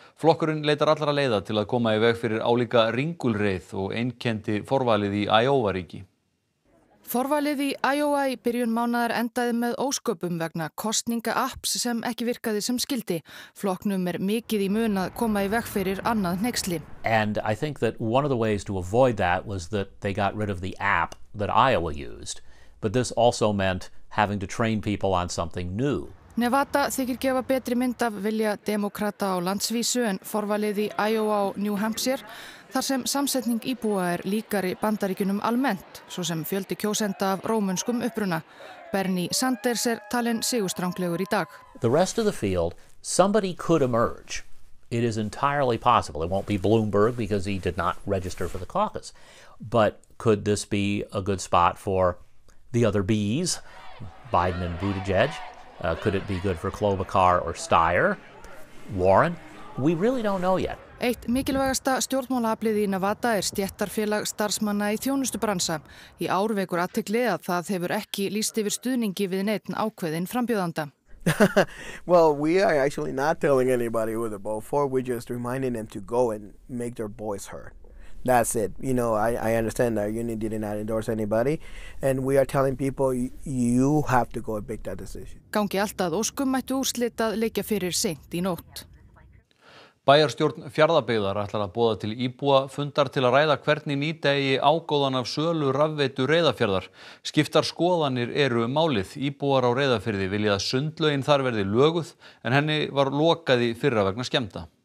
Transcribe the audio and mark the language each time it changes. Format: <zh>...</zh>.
<is>Flokkurinn leitar allra leiða til að koma í veg fyrir álíka ringulreið og einkendi forvalið í Iowa ríki. Forvalið í Iowa í byrjun mánaðar endaði með ósköpum vegna kostninga apps sem ekki virkaði sem skildi. Flokknum mikið í mun að koma í veg fyrir annað hneyksli.</is> <en>And I think that one of the ways to avoid that was that they got rid of the app that Iowa used. But this also meant having to train people on something new.</en> <is>Nevada þykir gefa betri mynd af vilja demókrata á landsvísu en forvalið í Iowa og New Hampshire, þar sem samsetning íbúa líkari Bandaríkjunum almennt, svo sem fjöldi kjósenda af rómönskum uppruna. Bernie Sanders talinn sigurstranglegur í dag.</is> <en>The rest of the field, somebody could emerge. It is entirely possible. It won't be Bloomberg because he did not register for the caucus. But could this be a good spot for the other bees, Biden and Buttigieg? Could it be good for Klobuchar or Steyer, Warren? We really don't know yet.</en> <is>Eitt mikilvægasta stjórnmálaaflið í Nevada stéttarfélag starfsmanna í þjónustubransa. Í ár vekur athygli að það hefur ekki lýst yfir stuðningi við neinn ákveðinn frambjóðanda.</is> <en>Well, we are actually not telling anybody who they're voting for. We're just reminding them to go and make their voice heard. That's it. You know, I understand that union did not endorse anybody and we are telling people you have to go and make that decision.</en> <is>Gangi allt að óskum mættu úrslit að liggja fyrir seint í nótt. Bæjarstjórn Fjarðabyggðar ætlar að boða til íbúa fundar til að ræða hvernig nýta eigi ágóðan af sölu rafveitu Reyðarfjarðar. Skiptar skoðanir eru málið. Íbúar á Reyðarfirði vilja að sundlaugin þar verði löguð en henni var lokað í fyrra vegna skemmda.</is>